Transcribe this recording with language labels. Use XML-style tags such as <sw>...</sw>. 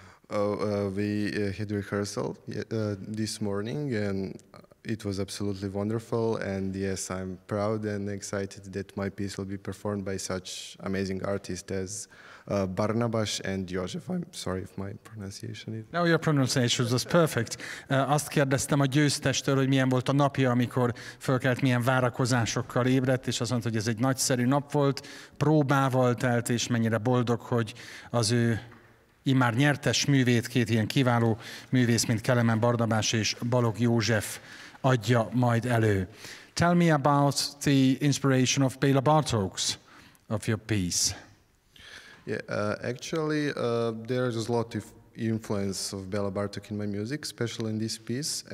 <en>We had rehearsal this morning, and it was absolutely wonderful. And yes, I'm proud and excited that my piece will be performed by such amazing artists as Barnabás and József. I'm sorry if my pronunciation is... No, your pronunciation was perfect.</en> <hu>Azt kérdeztem a győztestől, hogy milyen volt a napja, amikor fölkelt, milyen várakozásokkal ébredt, és azt mondta, hogy ez egy nagyszerű nap volt, próbával telt, és mennyire boldog, hogy az ő immár nyertes művét, két ilyen kiváló művész, mint Kelemen Barnabás és Balog József adja majd elő.</hu> <en>Tell me about the inspiration of Béla Bartók's, of your piece. Yeah, actually, there is a lot of influence of Béla Bartók in my music, especially in this piece.</en>